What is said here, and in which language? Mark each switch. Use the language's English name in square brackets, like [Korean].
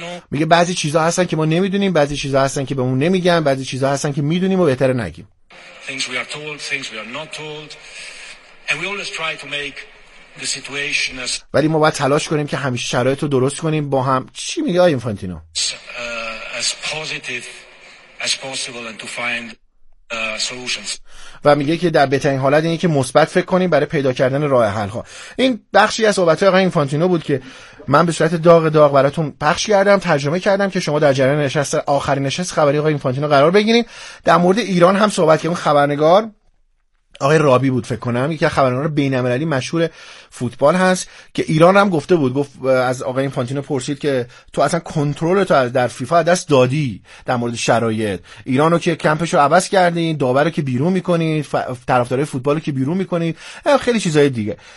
[Persian] میگه بعضی چیزها هستن که ما نمیدونیم، بعضی چیزها هستن که بهمون نمیگن، بعضی چیزها هستن که میدونیم و بهتره نگیم. [English] Things we are told, things we are not told. And we always try to make the situation as [Persian] ولی ما باید تلاش کنیم که همیشه شرایط رو درست کنیم با هم. چی میگه آقای اینفانتینو؟ [English] As positive as possible and to find solutions. [Persian] و میگه که در بهترین حالت اینه که مثبت فکر کنیم برای پیدا کردن راه حل ها. این بخشی از صحبت‌های آقای اینفانتینو بود که من به صورت داغ داغ براتون پخش کردم، ترجمه کردم که شما در جریان نشست آخرین نشست خبری آقای اینفانتینو قرار بگیرید. در مورد ایران هم صحبت کردم، خبرنگار آقای رابی بود فکر کنم، یکی از خبرنگاران بین‌المللی مشهور فوتبال هست که ایران هم گفته بود، گفت از آقای اینفانتینو پرسید که تو اصلا کنترل تو در فیفا دست دادی در مورد شرایط ایرانو که کمپشو عوض کردین، داورو که بیرون می‌کنید، طرفدارای فوتبالو که بیرون می‌کنید، خیلی چیزای دیگه.